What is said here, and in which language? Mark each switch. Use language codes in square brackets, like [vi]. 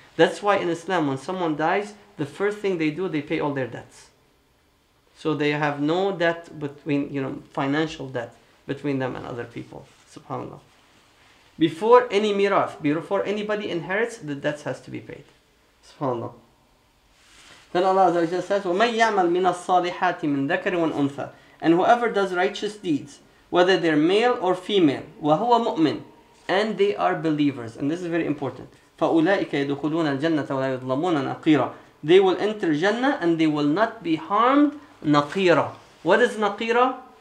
[en] That's why in Islam, when someone dies, the first thing they do, they pay all their debts. So they have no debt between, you know, financial debt between them and other people. SubhanAllah. Before any miras, before anybody inherits, the debts has to be paid. SubhanAllah. Then Allah Azza wa Jalla says, [ar] وَمَنْ يَعْمَلْ مِنَ الصَّالِحَاتِ مِنْ ذَكَرٍ وَالْأُنْثَى. [en] And whoever does righteous deeds, whether they're male or female, [ar] وَهُوَ مُؤْمِنٌ. [en] And they are believers. And this is very important. [ar] فَأُولَٰئِكَ يَدُخُلُونَ الْجَنَّةَ وَلَا يُظْلَمُونَ نَقِيرًا. [en] They will enter Jannah and they will not be harmed نَقِيرًا. What is نَقِيرًا?